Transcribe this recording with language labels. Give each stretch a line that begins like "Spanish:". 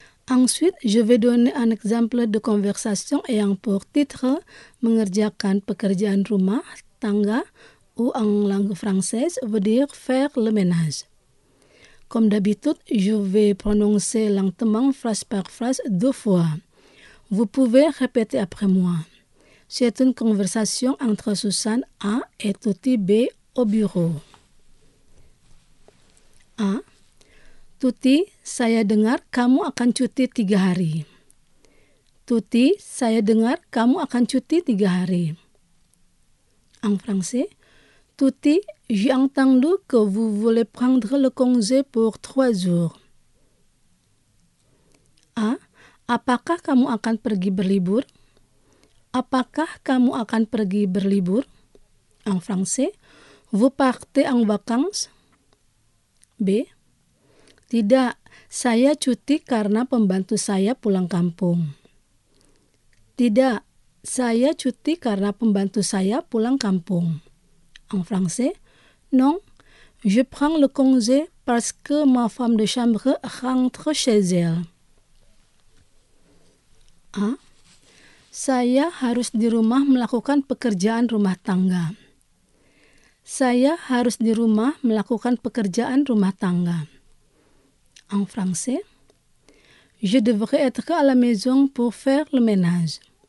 French: Ensuite, je vais donner un exemple de conversation ayant pour titre
Indonesian: mengerjakan pekerjaan rumah tangga
French: ou en langue française veut dire faire le ménage. Comme d'habitude, je vais prononcer lentement phrase par phrase deux fois. Vous pouvez répéter après moi. C'est une conversation entre Susan A et Tuti B au bureau. A.
Indonesian: Tuti, saya dengar kamu akan cuti tiga hari. Tuti, saya dengar kamu akan cuti tiga hari.
French: En français. Tuti, j'ai entendu que vous voulez prendre le congé pour trois jours. A.
Indonesian: Apakah kamu akan pergi berlibur? Apakah kamu akan pergi berlibur?
French: En français, vous partez en vacances? B.
Indonesian: Tidak, saya cuti karena pembantu saya pulang kampung. Tidak, saya cuti karena pembantu saya pulang kampung.
French: En français, non, je prends le congé parce que ma femme de chambre rentre chez elle. A.
Indonesian: Saya harus di rumah melakukan pekerjaan rumah tangga. Saya harus di rumah melakukan pekerjaan rumah tangga.
French: En français, je devrais être à la maison pour faire le ménage.